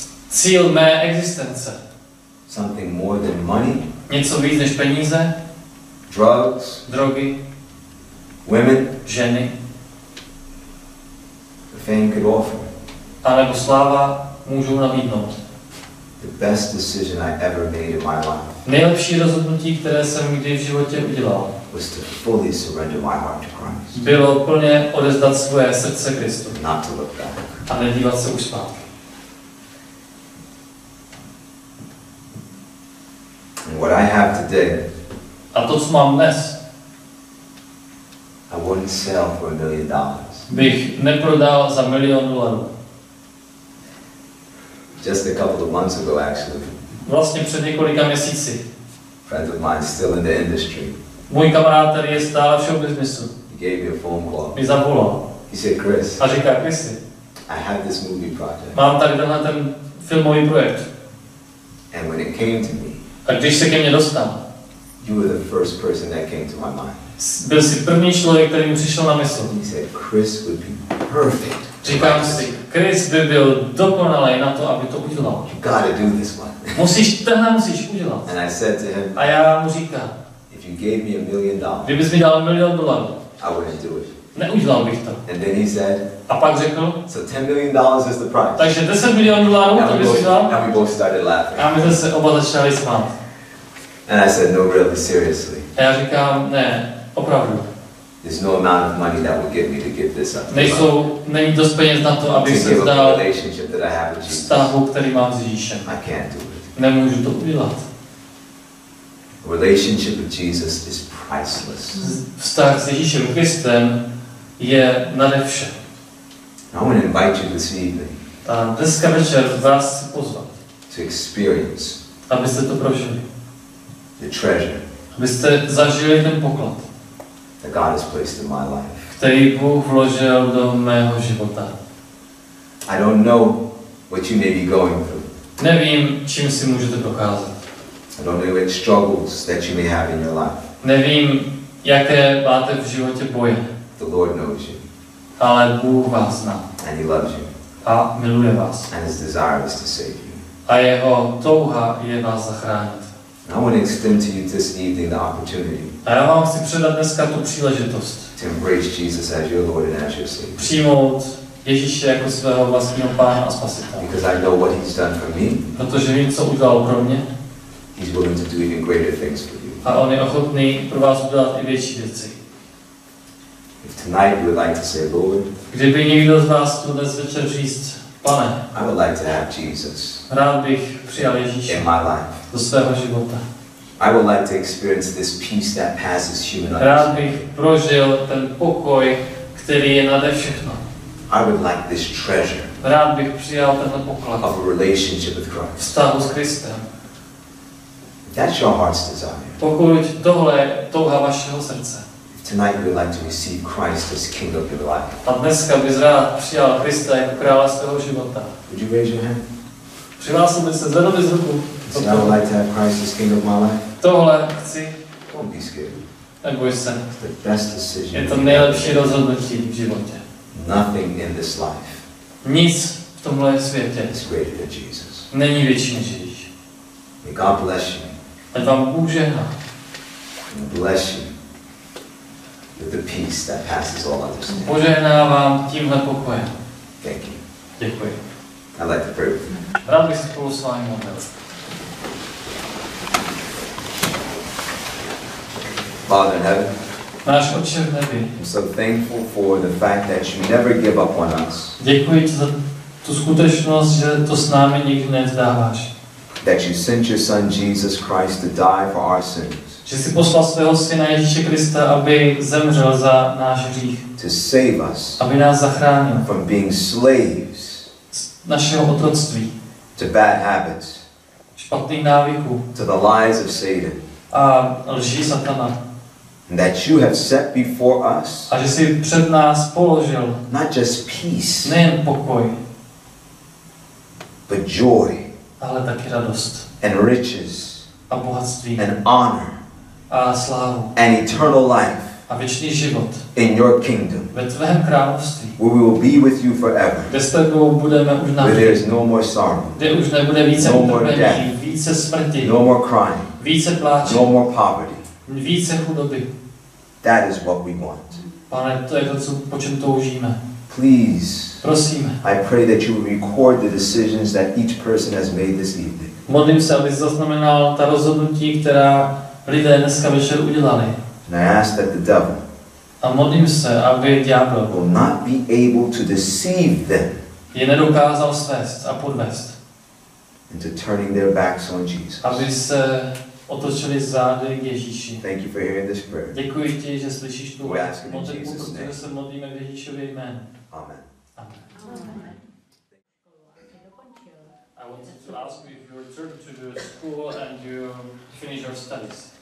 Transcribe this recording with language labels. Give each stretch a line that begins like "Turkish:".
Czech: Cíl mé existence.
English: Something more than money.
Czech: Něco víc než peníze.
English: Drugs.
Czech: Drogy.
English: Women.
Czech: Ženy.
English: The fame could offer.
Czech: A nebo sláva můžu nabídnout.
English: The best decision I ever made in my life.
Czech: Nejlepší rozhodnutí, které jsem kdy v životě udělal,
English: was to fully surrender my heart to Christ.
Czech: Bylo plně odevzdat svoje srdce Kristu.
English: Not to look back.
Czech: A nedívat se už zpátky.
English: And what I have today,
Czech: a to, co mám dnes,
English: I wouldn't sell for $1 million.
Czech: Bych neprodal za milion dolarů.
English: Just a couple of months ago, actually.
Czech: Vlastně před několika měsíci.
English: Friend of mine still in the industry.
Czech: Můj kamarád, který je stále v showbiznesu.
English: He gave me a phone call.
Czech: Mi zavolal.
English: He said, Chris.
Czech: A říká, Chrisy.
English: I have this movie project.
Czech: Mám tady tenhle ten filmový projekt.
English: And when it came to me.
Czech: A když se ke mně dostal,
English: you were the first person that came to my mind.
Czech: Byl jsi první člověk, který mi přišel na mysl.
English: He said, Chris would be perfect.
Czech: Říkám si, Chris by byl dokonalý na to, aby to udělal.
English: You gotta do this one.
Czech: Musíš, tenhle musíš udělat.
English: And I said to him,
Czech: a já mu říkám,
English: if you gave me $1 million,
Czech: kdybys mi dal milion dolarů,
English: I wouldn't do it.
Czech: Neudělal bych to.
English: And then he said,
Czech: a pak řekl,
English: so $10 million is the price.
Czech: Takže 10 milionů dolarů, to bys udělal.
English: And we both started laughing.
Czech: A my jsme se oba začali smát.
English: And I said, no, really, seriously.
Czech: A já říkám, ne, opravdu.
English: There's no amount of money that would get me to give this up.
Czech: Není dost peněz na to, aby se vzdal
English: relationship that I have with Jesus.
Czech: Vztahu, který mám s Ježíšem.
English: I can't do it.
Czech: Nemůžu to udělat.
English: Relationship with Jesus is priceless.
Czech: Vztah s Ježíšem Kristem je nade vše.
English: I want to invite you this evening.
Czech: A dneska večer vás chci pozvat.
English: To experience.
Czech: Abyste to prožili.
English: The treasure.
Czech: Abyste zažili ten poklad.
English: That God has placed in my life.
Czech: Který Bůh vložil do mého života.
English: I don't know what you may be going through.
Czech: Nevím, čím si můžete procházet.
English: I don't know what struggles that you may have in your life.
Czech: Nevím, jaké máte v životě boje.
English: The Lord knows you.
Czech: Ale Bůh vás zná.
English: And he loves you.
Czech: A miluje vás.
English: And his desire is to save you.
Czech: A jeho touha je vás zachránit.
English: I want to extend to you this evening the opportunity.
Czech: A já vám chci předat dneska tu příležitost.
English: To embrace Jesus as your Lord and as your Savior.
Czech: Přijmout Ježíše jako svého vlastního Pána a Spasitele.
English: Because I know what he's done for me.
Czech: Protože vím, co udělal pro mě.
English: He's willing to do even greater things for you.
Czech: A on je ochotný pro vás udělat i větší věci.
English: If tonight you would like to say, Lord,
Czech: kdyby někdo z vás tu dnes večer říct, Pane,
English: I would like to have Jesus.
Czech: Rád bych přijal Ježíše
English: in my life.
Czech: Do svého života.
English: I would like to experience this peace that passes human understanding.
Czech: Rád bych prožil ten pokoj, který je nade všechno.
English: I would like this treasure.
Czech: Rád bych přijal tenhle poklad.
English: Of a relationship with Christ.
Czech: Vztahu s Kristem.
English: That's your heart's desire.
Czech: Pokud tohle je touha vašeho srdce.
English: Tonight we would like to receive Christ as King of your life.
Czech: A dneska bys rád přijal Krista jako krále svého života.
English: Would you raise your hand?
Czech: Přihlásil bys se, zvedl bys ruku.
English: So I would like to have Christ as King of my life.
Czech: Tohle chci.
English: Don't be scared.
Czech: Neboj se.
English: It's the best decision.
Czech: Je to nejlepší rozhodnutí v životě.
English: Nothing in this life.
Czech: Nic v tomhle světě.
English: Is greater than Jesus.
Czech: Není větší než Ježíš.
English: May God bless you.
Czech: Ať vám Bůh žehná.
English: May bless you. With the peace that passes all understanding.
Czech: Požehná vám tímhle pokojem.
English: Thank you.
Czech: Děkuji.
English: I'd like to pray.
Czech: Rád bych se spolu s vámi modlil.
English: Father in heaven,
Czech: Náš Otče v nebi.
English: I'm so thankful for the fact that you never give up on us.
Czech: Děkuji ti za tu skutečnost, že to s námi nikdy nevzdáváš.
English: That you sent your son Jesus Christ to die for our sins.
Czech: Že jsi poslal svého syna Ježíše Krista, aby zemřel za náš hřích.
English: To save us.
Czech: Aby nás zachránil.
English: From being slaves.
Czech: Z našeho otroctví.
English: To bad habits.
Czech: Špatných návyků.
English: To the lies of Satan.
Czech: A lží Satana.
English: That you have set before us.
Czech: A že jsi před nás položil.
English: Not just peace.
Czech: Nejen pokoj.
English: But joy.
Czech: Ale taky radost.
English: And riches.
Czech: A bohatství.
English: And honor.
Czech: A slávu.
English: And eternal life.
Czech: A věčný život.
English: In your kingdom.
Czech: Ve tvém království.
English: Where we will be with you forever.
Czech: Kde s tebou budeme už navždy.
English: Where there is no more sorrow.
Czech: Kde už nebude více utrpení, více smrti.
English: No more crying.
Czech: Více pláče.
English: No more poverty.
Czech: Více chudoby.
English: That is what we want.
Czech: Pane, to je to, po čem toužíme.
English: Please.
Czech: Prosím.
English: I pray that you will record the decisions that each person has made this evening.
Czech: Modlím se, aby zaznamenal ta rozhodnutí, která lidé dneska večer udělali.
English: And I ask that the devil.
Czech: A modlím se, aby ďábel
English: will not be able to deceive them.
Czech: Je nedokázal svést a podvést.
English: Into turning their backs on Jesus.
Czech: Aby se otočili zády k Ježíši.
English: Thank you for hearing this prayer.
Czech: Děkuji ti, že slyšíš tu modlitbu, protože se modlíme v Ježíšově jménu. Amen.
English: I wanted to ask you if you return to the school and you finish your studies.